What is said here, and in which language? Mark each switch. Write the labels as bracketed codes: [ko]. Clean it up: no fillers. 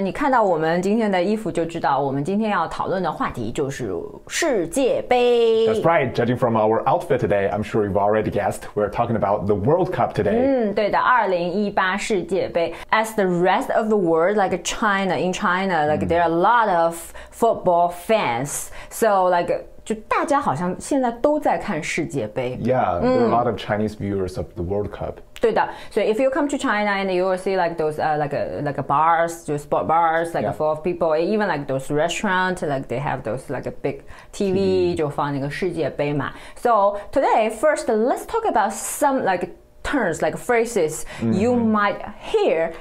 [zh] 你看到我们今天的衣服就知道，我们今天要讨论的话题就是世界杯。 [en] That's right. Judging from our outfit today, I'm sure you've already guessed we're talking about the World Cup today. [zh] 对的，2018世界杯。 [en] As the rest of the world, like China, in China, like there are a lot of football fans. So like. [zh] 就大家好像现在都在看世界杯。 [en] Yeah, there are a lot of Chinese viewers of the World Cup. [zh] 对的，所以 [en] if you come to China and you will see like those like bars, those sport bars, like full of people, even like those restaurants, like they have those like a big TV, [zh] 就放那个世界杯嘛。 [en] So today, first, let's talk about some like terms, like phrases you might hear.